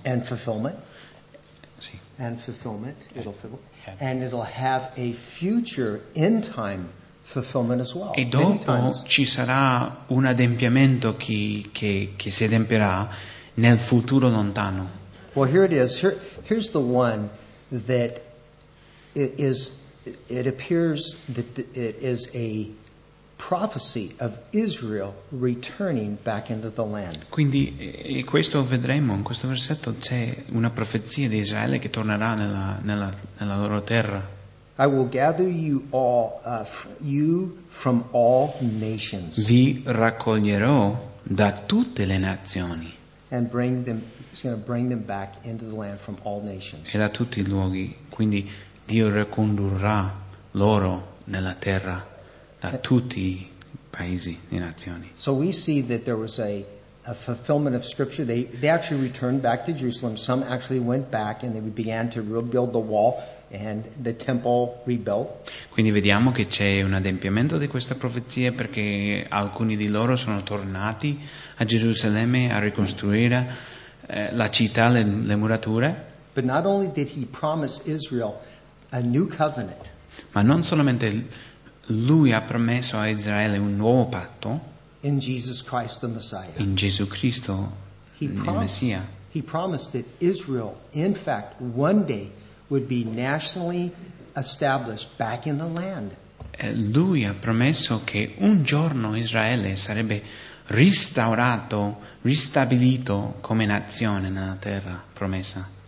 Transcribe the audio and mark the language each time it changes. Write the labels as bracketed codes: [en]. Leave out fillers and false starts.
[en] And fulfillment. [it] Sì. [en] And fulfillment. It'll fill. And it'll have a future end time fulfillment as well. [it] E dopo ci sarà un adempimento che si adempierà nel futuro lontano. [en] Well, here it is. Here's the one that is. It appears that it is a prophecy of Israel returning back into the land. [it] Quindi, e questo vedremo in questo versetto, c'è una profezia di Israele che tornerà nella loro terra. [en] I will gather you all, you from all nations. [it] Vi raccoglierò da tutte le nazioni. [en] And bring them. He's going to bring them back into the land from all nations. [it] E da tutti I luoghi. Quindi Dio ricondurrà loro nella terra. Da tutti I paesi, le nazioni. [en] So we see that there was a fulfillment of scripture. They actually returned back to Jerusalem. Some actually went back and they began to rebuild the wall and the temple rebuilt. [it] Quindi vediamo che c'è un adempimento di questa profezia perché alcuni di loro sono tornati a Gerusalemme a ricostruire la città, le murature. [en] But not only did he promise Israel a new covenant. [it] Ma non solamente Lui ha promesso a Israele un nuovo patto [en] in Jesus Christ the Messiah. [it] In Gesù Cristo il Messia. [en] He promised that Israel in fact one day would be nationally established back in the land. [it] Lui ha promesso che un giorno Israele sarebbe ristaurato, ristabilito come nazione nella terra promessa.